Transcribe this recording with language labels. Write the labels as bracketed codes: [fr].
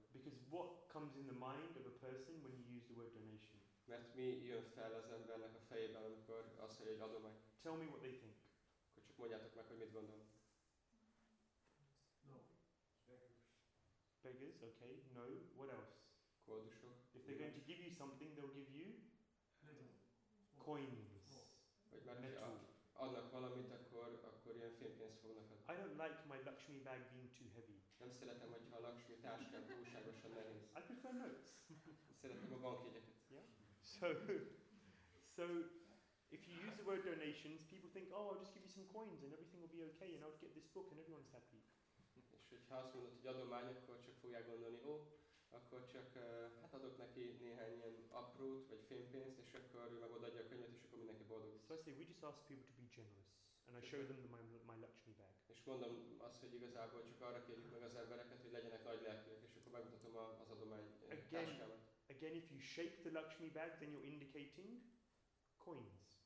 [en] Because what comes in the mind of a person when you use the word donation? [hu] Mert mi jön fel az embernek a fejében, amikor azt mondja, hogy adomány. [en] Tell me what they think. [hu] Akkor csak mondjátok meg, hogy mit gondolom. [en] No. Beggars. Beggars, okay. No. What else? [hu] Koldusok. [en] If they're going to give you something, they'll give you? Metal. Coins. [hu] Vagy mert ha adnak valamit, akkor ilyen fémpénzt fognak adni. [en] I don't like my Lakshmi bag being too heavy. [hu] Nem szeretem, hogyha a Lakshmi táskám túlságosan nehéz. [en] I prefer notes. [hu] Szeretem a bankjegyeket. [en] Yeah? So if you use the word donations, people think, oh, I'll just give you some coins and everything will be okay and I'll get this book and everyone's happy. [hu] És hogyha azt mondod, hogy adomány, akkor csak fogják gondolni, ó, akkor csak hát adok neki néhány ilyen aprót vagy fémpénzt, és akkor ő meg odaadja a könyvet, és akkor mindenki boldog. [en] So I say, we just ask people to be generous and I show them my Lakshmi bag. [hu] És mondom azt, hogy igazából csak arra kérjük meg az embereket, hogy legyenek nagy lelkűek, és akkor megmutatom az adomány táskámat. [en] Again, if you shake the Lakshmi bag, then you're indicating coins.